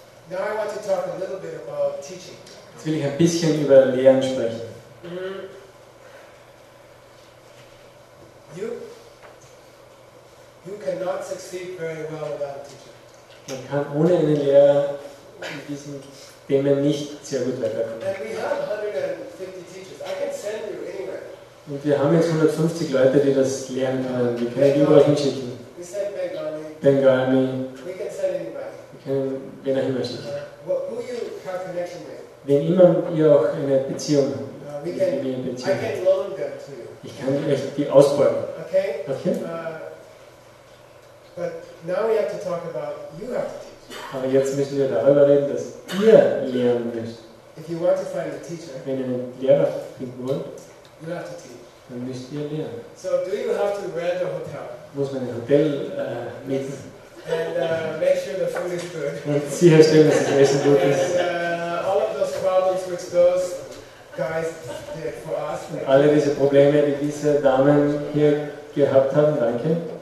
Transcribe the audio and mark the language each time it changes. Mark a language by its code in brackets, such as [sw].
[en] Now I want to talk a little bit about teaching. [de] Jetzt will ich ein bisschen über Lehren sprechen. [en] You cannot succeed very well without a teacher. [de] Man kann ohne einen Lehrer in diesen Themen nicht sehr gut weiterkommen. [en] And we have 150 teachers. I can send you anywhere. [de] Und wir haben jetzt 150 Leute, die das lernen können. Wir können die überall hinschicken. [en] We send Bengali. Bengali. We can send anybody. [de] Wir können wen auch immer schicken. [en] Who you have connection with. [de] Wen immer ihr auch eine Beziehung habt. [en] I can loan them to you. [de] Ich kann euch die ausbeuten. [en] Okay? Okay? But now we have to talk about you have to teach. [de] Aber jetzt müssen wir darüber reden, dass ihr lernen müsst. [en] If you want to find a teacher, [de] wenn ihr einen Lehrer finden wollt, [en] you have to teach. [de] Dann müsst ihr lernen. [en] So do you have to rent a hotel? [de] Muss man ein Hotel mieten? [en] And make sure the food is good. [de] Und sicherstellen, dass das Essen gut ist. [en] All of those problems which those guys did for us. [de] Und alle diese Probleme, die diese Damen hier gehabt haben, danke.